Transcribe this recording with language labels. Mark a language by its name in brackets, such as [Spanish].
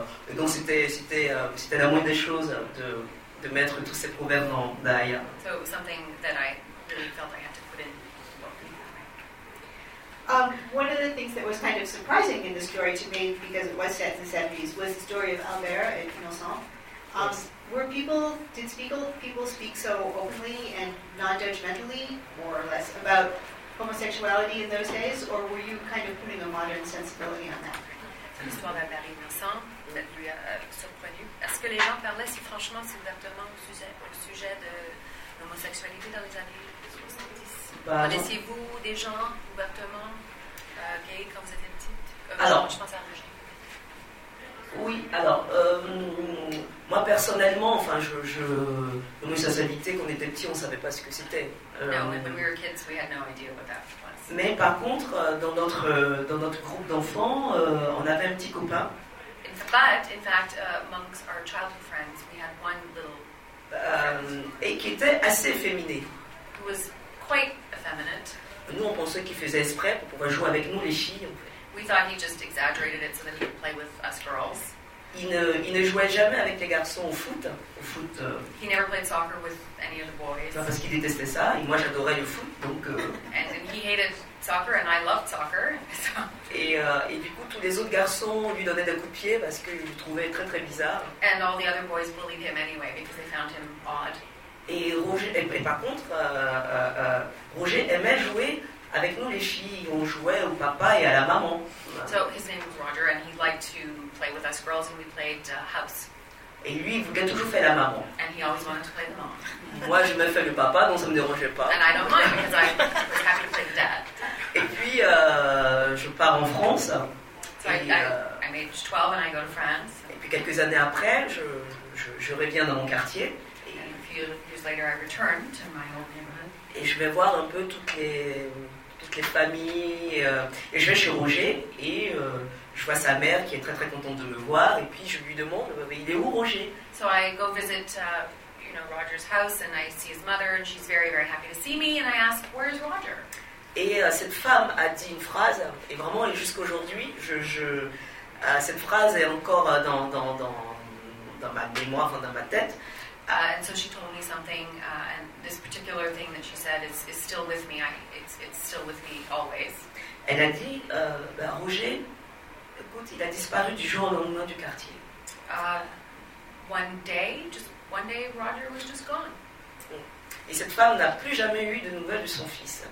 [French] Et donc c'était la moindre des choses de mettre tous ces proverbes dans Aya. [English] So something that I really felt I had to put in. One of the things that was kind of surprising in the story to me, because it was set in the 70s, was the story of Albert et Innocent. Yes. Did people speak so openly and non-judgmentally, more or less, about homosexuality in those days, or were you kind of putting a modern sensibility on that? [French] L'histoire d'Albert Innocent lui a surprenu. Est-ce que les gens parlaient si franchement, si ouvertement au sujet de l'homosexualité dans les années 70? Bah, connaissez-vous des gens ouvertement gays quand vous étiez petite? Alors, je pense à Roger. Oui, alors, moi personnellement, enfin, je l'homosexualité, quand on était petit, on ne savait pas ce que c'était. [English] When we were kids, we had no idea what that was. [French] Mais par contre, dans notre groupe d'enfants, on avait un petit copain. [English] In fact, amongst our childhood friends, we had one little friend. [French] Et qui était assez efféminé. [English] Who was quite effeminate. [French] Nous, on pensait qu'il faisait exprès pour pouvoir jouer avec nous, les filles. [English] We thought he just exaggerated it so that he could play with us girls. [French] Il ne jouait jamais avec les garçons au foot. [English] He never played soccer with any of the boys. [French] Parce qu'il détestait ça, et moi j'adorais le foot, donc... [English] And he hated soccer, and I loved soccer. So. [French] Et du coup, tous les autres garçons lui donnaient des coups de pied parce qu'ils le trouvaient très très bizarre. [English] And all the other boys bullied him anyway, because they found him odd. [French] Et par contre, Roger aimait jouer avec nous les filles, on jouait au papa et à la maman. [English] So his name was Roger, and he liked to play with us girls, and we played house. [French] Et lui, il voulait toujours faire la maman. [English] And he always wanted to play the mom. [French] Moi, je me fais le papa, donc ça ne me dérangeait pas. [English] And I don't mind, because I was happy to play the dad. [French] Et puis, je pars en France. [English] So I'm age 12 and I go to France. [French] Et puis, quelques années après, je reviens dans mon quartier. [English] And a few years later, I return to my old neighborhood. [French] Et je vais voir un peu toutes les familles. Et je vais chez Roger et je vois sa mère qui est très très contente de me voir. Et puis je lui demande, mais il est où Roger? [English] So I go visit Roger's house and I see his mother and she's very very happy to see me and I ask, where is Roger? [French] Et cette femme a dit une phrase, et vraiment, et jusqu'à aujourd'hui, cette phrase est encore dans ma mémoire, enfin dans ma tête. [English] And so she told me something, and this particular thing that she said is still with me. It's still with me always. [French] Elle a dit, Roger, écoute, il a disparu du jour au lendemain du quartier. [English] One day, Roger was just gone. [French] Et cette femme n'a plus jamais eu de nouvelles de son fils.